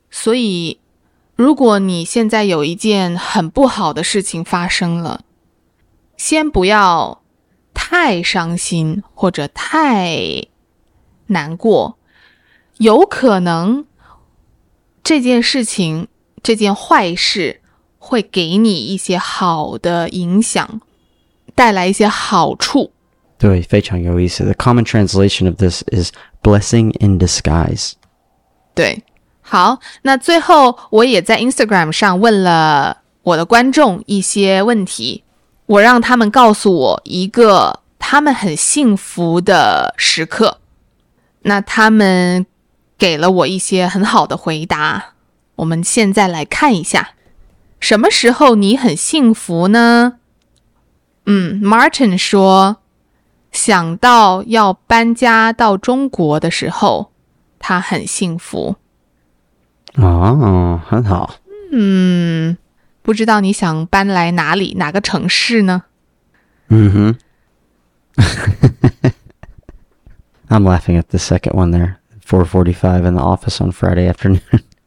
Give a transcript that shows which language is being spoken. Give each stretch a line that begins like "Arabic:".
Chinese: 所以，如果你现在有一件很不好的事情发生了，先不要太伤心或者太难过，有可能这件事情，这件坏事会给你一些好的影响，带来一些好处。对，非常有意思。
English: The common translation of this is blessing in disguise.
Chinese: 对，好，那最后我也在 Instagram 上问了我的观众一些问题，我让他们告诉我一个他们很幸福的时刻，那他们给了我一些很好的回答，我们现在来看一下。什么时候你很幸福呢？嗯 ，Martin 说，想到要搬家到中国的时候，他很幸福。哦，很好。嗯，不知道你想搬来哪里，哪个城市呢？嗯哼。
English: I'm laughing at the second one there, 4:45 in the office on Friday afternoon.